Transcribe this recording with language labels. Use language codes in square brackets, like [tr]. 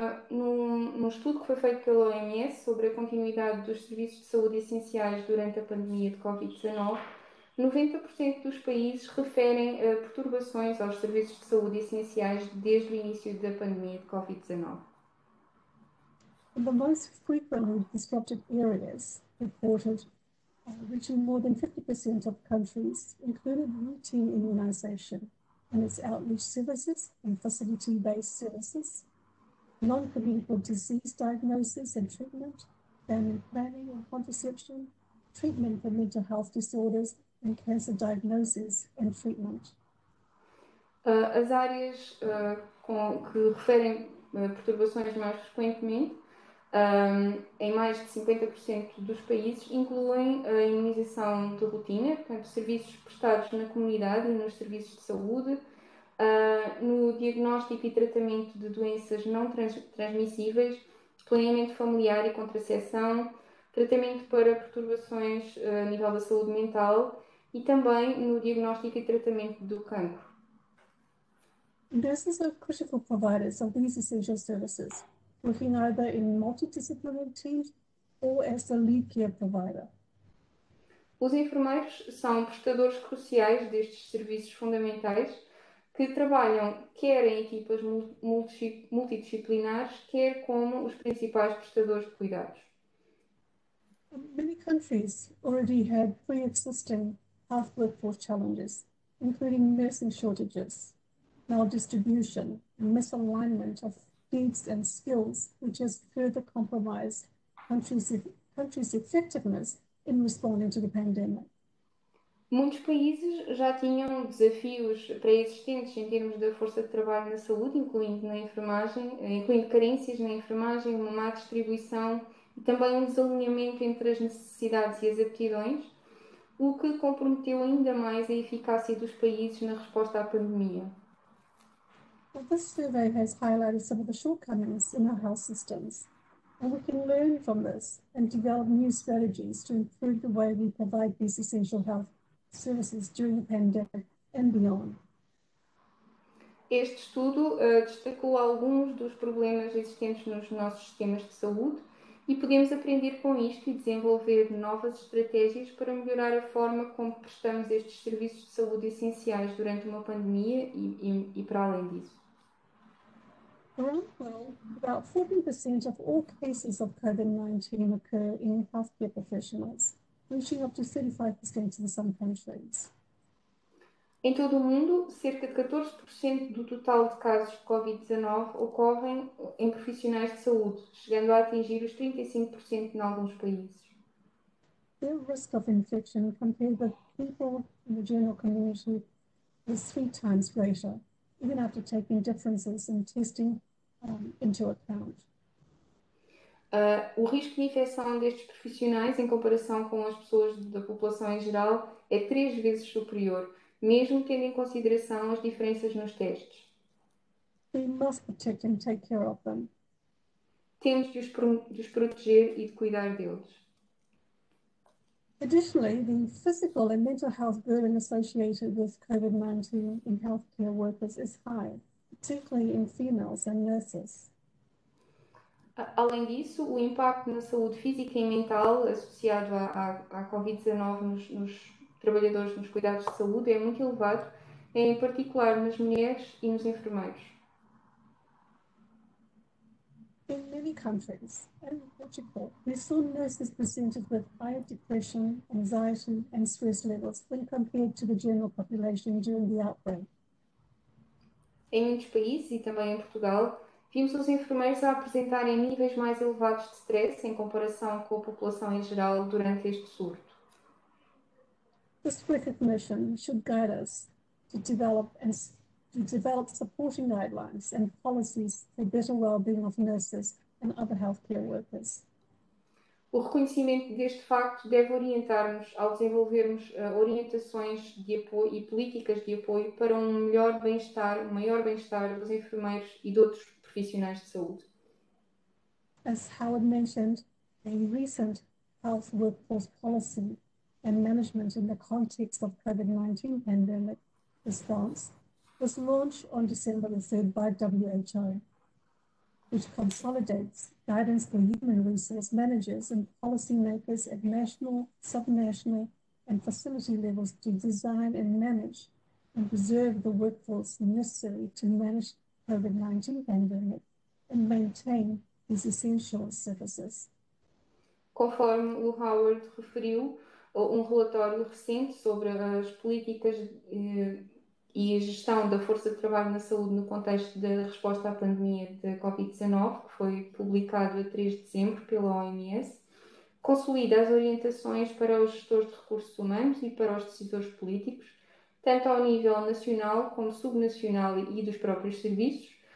[pt] No estudo que foi feito pela OMS sobre a continuidade dos serviços de saúde essenciais durante a pandemia de COVID-19, 90% dos países referem a perturbações aos serviços de saúde essenciais desde o início da pandemia de COVID-19. [en] The most frequently disrupted areas reported reaching more than 50% of countries included routine immunization and its outreach services and facility-based services, non-communicable disease diagnosis and treatment, family planning and contraception, treatment for mental health disorders and cancer diagnosis and treatment. [pt] As áreas que referem perturbações mais frequentemente em mais de 50% dos países incluem a imunização de rotina, portanto, serviços prestados na comunidade e nos serviços de saúde, no diagnóstico e tratamento de doenças não transmissíveis, planeamento familiar e contraceção, tratamento para perturbações a nível da saúde mental e também no diagnóstico e tratamento do cancro. [en] Nurses are critical providers of these essential services, working either in multidisciplinary teams or as a lead care provider. [pt] Os enfermeiros são prestadores cruciais destes serviços fundamentais que trabalham quer em equipas multidisciplinares, quer como os principais prestadores de cuidados. [en] Many countries already had pre-existing health workforce challenges, including nursing shortages, maldistribution, and misalignment of needs and skills, which has further compromised countries' effectiveness in responding to the pandemic. [pt] Muitos países já tinham desafios pré-existentes em termos da força de trabalho na saúde, incluindo na enfermagem, incluindo carências na enfermagem, uma má distribuição e também um desalinhamento entre as necessidades e as aptidões, o que comprometeu ainda mais a eficácia dos países na resposta à pandemia. [en] Well, this survey has highlighted some of the shortcomings in our health systems, and we can learn from this and develop new strategies to improve the way we provide these essential health services during the pandemic and beyond. [pt] Este estudo destacou alguns dos problemas existentes nos nossos sistemas de saúde, e podemos aprender com isto e desenvolver novas estratégias para melhorar a forma como prestamos estes serviços de saúde essenciais durante uma pandemia e para além disso. [en] Around the world, about 40% of all cases of COVID-19 occur in healthcare professionals, reaching up to 35% in some countries. [pt] Em todo o mundo, cerca de 14% do total de casos de Covid-19 ocorrem em profissionais de saúde, chegando a atingir os 35% em alguns países. [en] The risk of infection compared with people in the general community is 3 times greater, even after taking differences in testing into account. [pt] O risco de infecção destes profissionais em comparação com as pessoas da população em geral é 3 vezes superior, mesmo tendo em consideração as diferenças nos testes. [en] We must protect and take care of them. [pt] Temos de os proteger e de cuidar deles. [en] Additionally, the physical and mental health burden associated with COVID-19 in healthcare workers is high, particularly in females and nurses. [pt] Além disso, o impacto na saúde física e mental associado à Covid-19 nos trabalhadores nos cuidados de saúde é muito elevado, em particular nas mulheres e nos enfermeiros. [en] In many countries, and Portugal, we saw nurses presented with higher depression, anxiety, and stress levels when compared to the general population during the outbreak. [pt] Em muitos países, e também em Portugal, vimos os enfermeiros a apresentarem níveis mais elevados de stress em comparação com a população em geral durante este surto. [en] This recognition should guide us to develop and to develop supporting guidelines and policies for better well-being of nurses and other healthcare workers. [pt] O reconhecimento deste facto deve orientar-nos ao desenvolvermos orientações de apoio e políticas de apoio para um melhor bem-estar, um maior bem-estar dos enfermeiros e de outros profissionais de saúde. [en] As Howard mentioned, a recent health workforce policy and management in the context of COVID-19 pandemic response was launched on December the 3rd by WHO, which consolidates guidance for human resource managers and policymakers at national, subnational, and facility levels to design and manage and preserve the workforce necessary to manage COVID-19 pandemic and maintain these essential services. [pt] Conforme o Howard referiu, relatório recente sobre as políticas e a gestão da força de trabalho na saúde no contexto da resposta à pandemia da Covid-19, que foi publicado a 3 de dezembro pela OMS, consolida as orientações para os gestores de recursos humanos e para os decisores políticos, tanto ao nível nacional como subnacional e dos próprios serviços,